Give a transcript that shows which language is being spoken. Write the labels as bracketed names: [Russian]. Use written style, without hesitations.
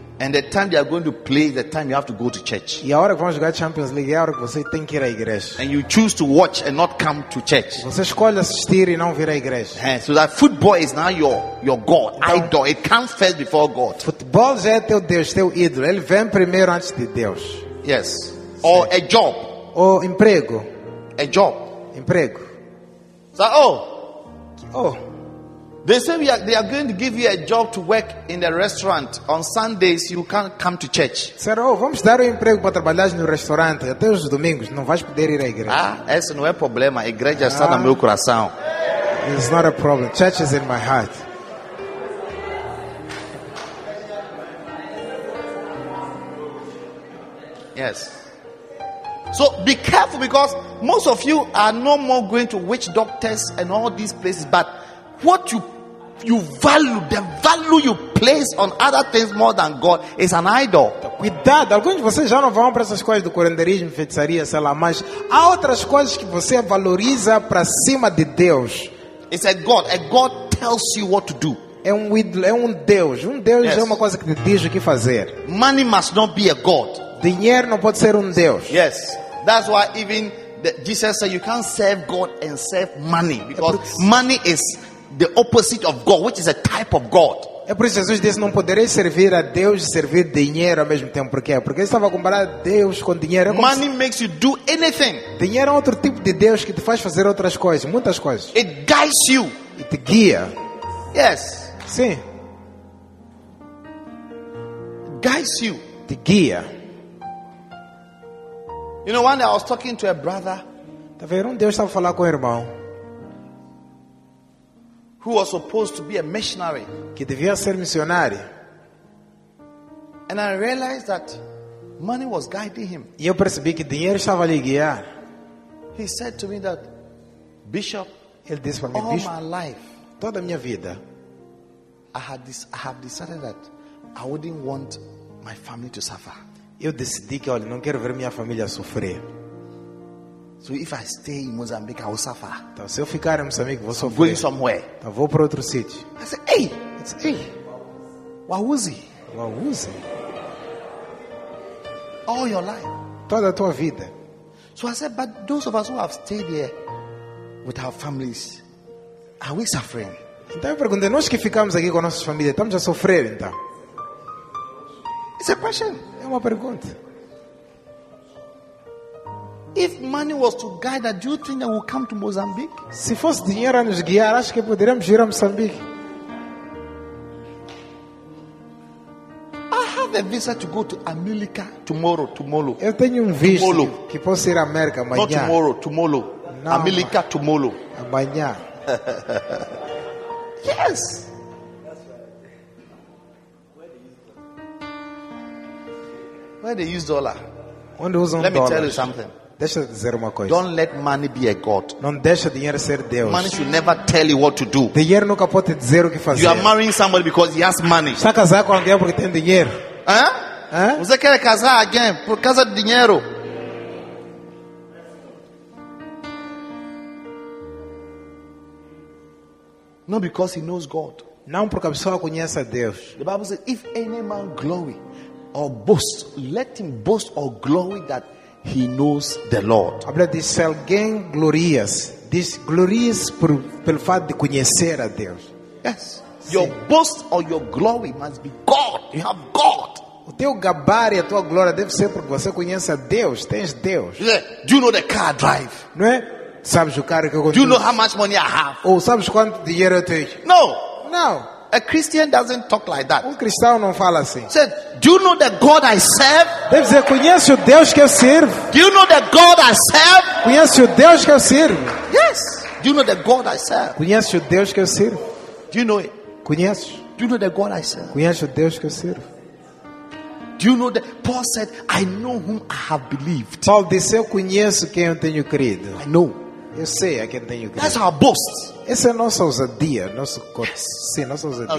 [English] And the time they are going to play, the time you have to go to church. [Portuguese] E a hora que vão jogar Champions League é a hora que você tem que ir à igreja. [English] And you choose to watch and not come to church. [Portuguese] Você escolhe assistir e não vir à igreja. [English] Yeah, so that football is now your god, então, idol. It comes first before God. [Portuguese] Futebol já é teu Deus, teu ídolo. Ele vem primeiro antes de Deus. [English] Yes. Sim. Or a job. [Portuguese] Ou emprego. [English] A job. [Portuguese] Emprego. [English] So, oh. Oh. They say they are going to give you a job to work in the restaurant. On Sundays, you can't come to church. [Portuguese] Disseram, oh, vamos dar um emprego para trabalhar no restaurante. Até os domingos, não vais poder ir à igreja. Ah, esse não é problema. A igreja está no meu coração. [English] It's not a problem. Church is in my heart. Yes. So be careful because most of you are no more going to witch doctors and all these places. But what you value, the value you place on other things more than God is an idol. [Portuguese] Cuidado, alguns de vocês já não vão para essas coisas do curanderismo, feitiçaria, sei lá, mas há outras coisas que você valoriza para cima de Deus. [English] It's a god. A god tells you what to do. [Portuguese] É um ídolo, é um Deus. Um Deus, yes. É uma coisa que te diz o que fazer. [English] Money must not be a god. [Portuguese] Dinheiro não pode ser um Deus. [English] Yes. That's why even Jesus said you can't serve God and serve money because money is the opposite of God, which is a type of God. [Portuguese] É por isso Jesus disse, não poderei servir a Deus e servir dinheiro ao mesmo tempo. Por quê? Porque ele estava a comparar Deus com dinheiro. [English] É money se... makes you do anything. [Portuguese] Dinheiro é outro tipo de Deus que te faz fazer outras coisas, muitas coisas. [English] It guides you. [Portuguese] E te guia. [English] Yes. [Portuguese] Sim. [English] Guides you. [Portuguese] Te guia. [English] You know, one day I was talking to a brother. [Portuguese] Tá vendo? Um dia eu estava a falar com o irmão. [English] Who was supposed to be a missionary. [Portuguese] Que devia ser missionário. [English] And I realized that money was guiding him. [Portuguese] E eu percebi que dinheiro estava lhe guiar. [English] He said to me that, Bishop, [Portuguese] ele disse para mim, [English] all Bishop, my life, [Portuguese] toda a minha vida, [English] I have decided that I wouldn't want my family to suffer. [Portuguese] Eu decidi que, olha, não quero ver minha família sofrer. [English] So if I stay in Mozambique, I will suffer. [Portuguese] Então, se eu ficar em Moçambique, vou [English] I'm [Portuguese] sofrer. [English] Going somewhere. [Portuguese] Então, vou para outro sítio. [English] I said, hey! Wawuzi. Wawuzi. All your life. [Portuguese] Toda a tua vida. [English] So I said, but those of us who have stayed here with our families, are we suffering? [Portuguese] Então eu pergunto, nós que ficamos aqui com nossas famílias, estamos a sofrer então? [English] It's a question. [Portuguese] É uma pergunta. [English] If money was to guide, do you think that we'll come to Mozambique? [Portuguese] Se fosse dinheiro a nos guiar, acho que poderíamos ir a Moçambique. [English] A visa to go to America tomorrow. [Portuguese] Eu tenho visa que posso ir à América amanhã. [English] Not tomorrow, tomorrow. America tomorrow. [Portuguese] Amanhã. [English] Yes. Where they use dollar? [Portuguese] Onde usam [English] dólar? Let me tell you something. [Portuguese] Deixa eu dizer uma coisa. [English] Don't let money be a god. [Portuguese] Não deixa dinheiro ser Deus. [English] Money should never tell you what to do. [Portuguese] Dinheiro nunca pode dizer o que fazer. [English] You are marrying somebody because he has money. [Portuguese] Está casado com alguém porque tem dinheiro. Você quer casar alguém por causa de dinheiro? [English] Not because he knows God. [Portuguese] Não porque a pessoa conhece a Deus. [English] The Bible says, if any man glory or boast, let him boast or glory that he knows the Lord. [Portuguese] A Bíblia diz, se alguém glorias, diz glorias pelo fato de conhecer a Deus. [English] Yes. Sim. Your boast or your glory must be God. You have God. [Portuguese] O teu gabar e a tua glória deve ser porque você conhece a Deus, tens Deus. [English] Yeah. Do you know the car drive? [Portuguese] Não é? Sabes o carro que eu conduzo? [English] Do you know how much money I have? [Portuguese] Ou sabes quanto dinheiro eu tenho? [English] No. No. A Christian doesn't talk like that. [Portuguese] Um cristão não fala assim. [English] Said, do you know the God I serve? [Portuguese] Deve dizer, conhece o Deus que eu sirvo? [English] Do you know the God I serve? [Portuguese] Conhece o Deus que eu sirvo? [English] Yes. Do you know the God I serve? [Portuguese] Conhece o Deus que eu sirvo? [English] Do you know it? [Portuguese] Conheço. [English] Do you know the God I serve? [Portuguese] Conhece o Deus que eu sirvo? [English] Do you know that Paul said, I know whom I have believed. [Portuguese] Paulo disse, eu conheço quem eu tenho crido. [English] I know. [Portuguese] Eu sei a quem tenho crido. [English] That's our boast. [Portuguese] Essa é a nossa ousadia, nosso sim, nossa ousadia.